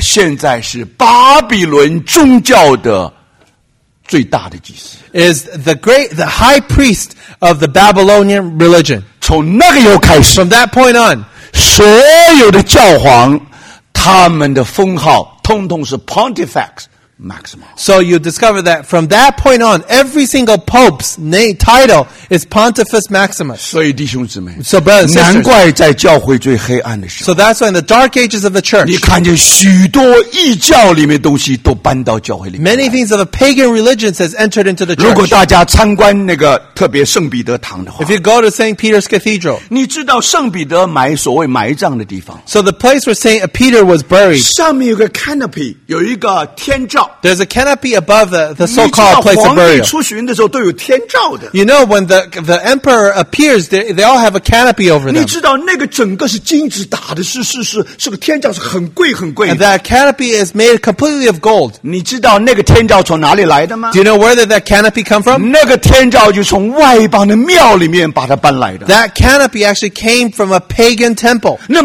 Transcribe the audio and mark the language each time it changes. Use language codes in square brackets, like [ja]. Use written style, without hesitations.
[zh] 现在是巴比伦宗教的最大的祭司, [en] is the great, the high priest of the Babylonian religion. [zh] 从那个又开始, [en] from that point on, [zh] 所有的教皇, 他们的封号通通是 Pontifex Maximus. [en] So you discover that from that point on, every single pope's title is Pontifex Maximus. [zh] 所以弟兄姊妹, [en] so brothers and sisters, [zh] 难怪在教会最黑暗的时候, [en] so that's why in the dark ages of the church, [zh] 你看见许多异教里面东西都搬到教会里面来, [en] many things of the pagan religions has entered into the church. [zh] 如果大家参观那个特别圣彼得堂的话, [en] if you go to St. Peter's Cathedral, [zh] 你知道圣彼得埋所谓埋葬的地方, [en] so the place where St. Peter was buried, [zh] 上面有个 canopy, 有一个天照, [en] there's a canopy above the so-called place of burial. [zh] 出巡的时候都有天照的, [en] you know, when the emperor appears, they all have a canopy over them. [zh] 你知道那个整个是金子打的，是个天照，是很贵很贵的。 [en] And that canopy is made completely of gold. [zh] 你知道那个天照从哪里来的吗? [en] Do you know where did that canopy come from? [zh] 那个天照就从外邦的庙里面把它搬来的。 [en] That canopy actually came from a pagan temple.